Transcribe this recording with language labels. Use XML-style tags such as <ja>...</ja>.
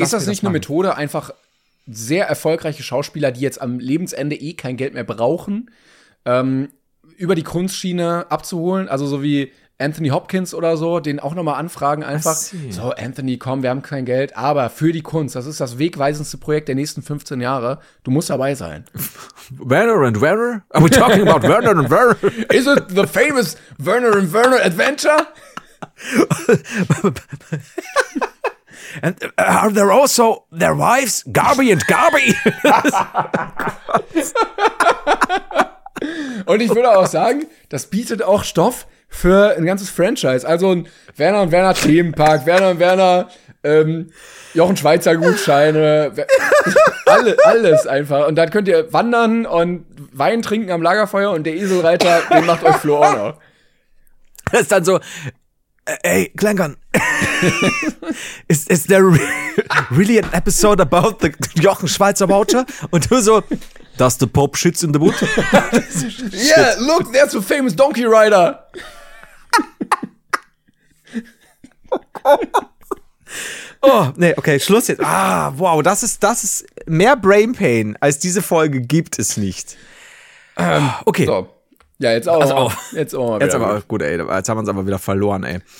<de>mich das. Ist das nicht eine Methode, einfach sehr erfolgreiche Schauspieler, die jetzt am Lebensende eh kein Geld mehr brauchen, über die Kunstschiene abzuholen? Also so wie Anthony Hopkins oder so, den auch nochmal anfragen einfach. So, Anthony, komm, wir haben kein Geld, aber für die Kunst, das ist das wegweisendste Projekt der nächsten 15 Jahre. Du musst dabei sein.</de> <en>Werner and Werner? Are we talking about Werner and Werner? Is it the famous Werner and Werner Adventure? And are there also their wives, Gabi and Gabi?</en> <de>Und ich würde auch sagen, das bietet auch Stoff für ein ganzes Franchise. Also ein Werner und Werner Themenpark, Werner und Werner Jochen Schweizer Gutscheine, alles einfach. Und dann könnt ihr wandern und Wein trinken am Lagerfeuer und der Eselreiter, den macht euch Flo auch noch. Das ist dann so, ey, Klänkern.</de> <en>Is there really an episode about the Jochen Schweizer Voucher?</en> <de>Und du so,</de> <en>does the Pope shits in the wood? Yeah, look, there's a famous donkey rider.</en> <de>Oh, nee, okay, Schluss jetzt. Ah, wow, das ist mehr Brain Pain als diese Folge gibt es nicht. Okay. So. Ja, jetzt auch. Also, jetzt auch. Jetzt aber gut, ey, jetzt haben wir uns aber wieder verloren, ey.</de>